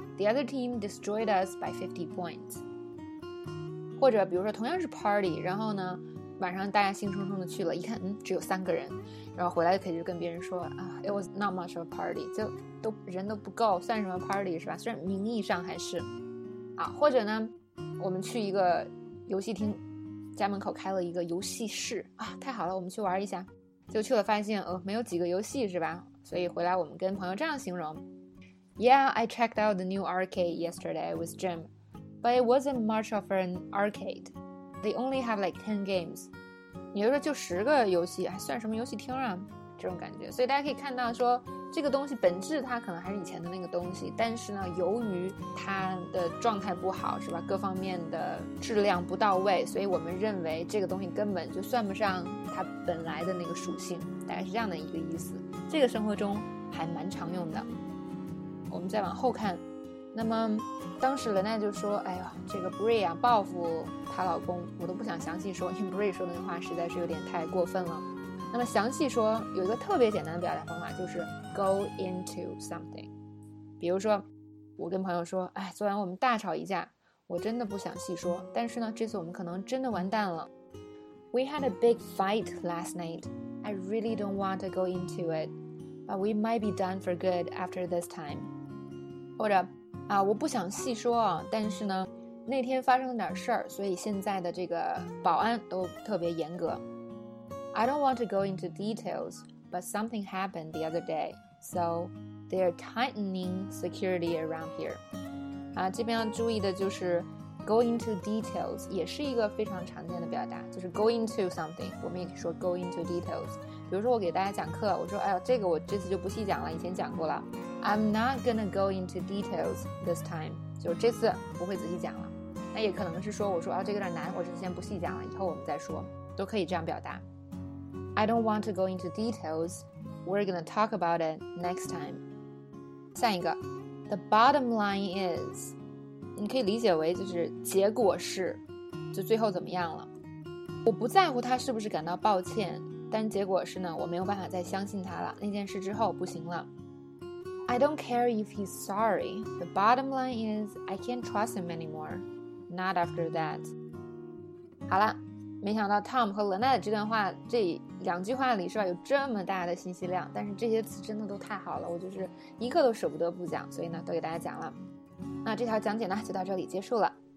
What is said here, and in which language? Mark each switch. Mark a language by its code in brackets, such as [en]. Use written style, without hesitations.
[en] The other team destroyed us by 50 points. [zh] 或者比如说同样是 party， 然后呢，晚上大家兴冲冲的去了，一看只有3个人，然后回来可以就跟别人说啊、， [en] It was not much of a party， [zh] 就都人都不够，算什么 party 是吧？虽然名义上还是啊，或者呢，我们去一个游戏厅。家门口开了一个游戏室啊，太好了，我们去玩一下。就去了，发现没有几个游戏是吧？所以回来我们跟朋友这样形容 [en] ：Yeah, I checked out the new arcade yesterday with Jim, but it wasn't much of an arcade. They only have like 10 games. [zh] 你就说就10个游戏，还算什么游戏厅啊？这种感觉。所以大家可以看到说，这个东西本质它可能还是以前的那个东西，但是呢由于它的状态不好是吧，各方面的质量不到位，所以我们认为这个东西根本就算不上它本来的那个属性，大概是这样的一个意思。这个生活中还蛮常用的。我们再往后看，那么当时伦娜就说哎呦，这个 Bree 啊报复她老公，我都不想详细说，因为 Bree 说的那话实在是有点太过分了。那么详细说有一个特别简单的表达方法，就是 go into something。比如说我跟朋友说哎，昨晚我们大吵一架，我真的不想细说，但是呢这次我们可能真的完蛋了。 [en] We had a big fight last night. I really don't want to go into it, but we might be done for good after this time. [zh] 或者啊，我不想细说啊，但是呢那天发生了点事儿，所以现在的这个保安都特别严格。 [en] I don't want to go into details, but something happened the other day, so they're tightening security around here. [zh] 啊，这边要注意的就是 go into details 也是一个非常常见的表达，就是 go into something， 我们也可以说 go into details。比如说我给大家讲课，我说哎呦，这个我这次就不细讲了，以前讲过了。 [en] I'm not gonna go into details this time， [zh] 就这次不会仔细讲了。那也可能是说我说啊，这个有点难，我就先不细讲了，以后我们再说，都可以这样表达。 [en] I don't want to go into details. We're going to talk about it next time. [zh] 下一个 [en] The bottom line is. [zh] 你可以理解为就是结果是，就最后怎么样了。我不在乎他是不是感到抱歉，但结果是呢，我没有办法再相信他了，那件事之后不行了。 [en] I don't care if he's sorry. The bottom line is I can't trust him anymore. Not after that. [zh] 好了，没想到 Tom 和 Lynette 这段话，这两句话里是吧，有这么大的信息量，但是这些词真的都太好了，我就是一刻都舍不得不讲，所以呢，都给大家讲了。那这条讲解呢，就到这里结束了。